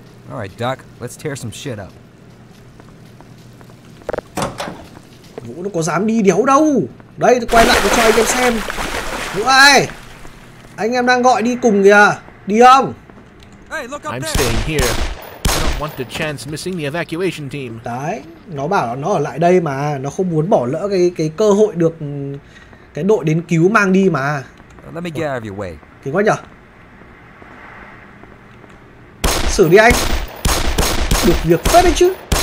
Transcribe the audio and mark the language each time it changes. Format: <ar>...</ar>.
<en>All right, Doc, let's tear some shit up.</en> <vi>Vũ nó có dám đi đéo đâu. Đây, tôi quay lại cho anh em xem. Vũ ơi. Anh em đang gọi đi cùng kìa. Đi không?</vi> <en>Hey, look up I'm there. Staying here. I don't want to chance missing the evacuation team.</en> <vi>Đấy, nó bảo nó ở lại đây mà, nó không muốn bỏ lỡ cái cơ hội được cái đội đến cứu mang đi mà.</vi> <en>Let me get out of your way.</en> <vi>Kì quá nhở? Xử đi anh. Được việc phết đấy chứ.</vi>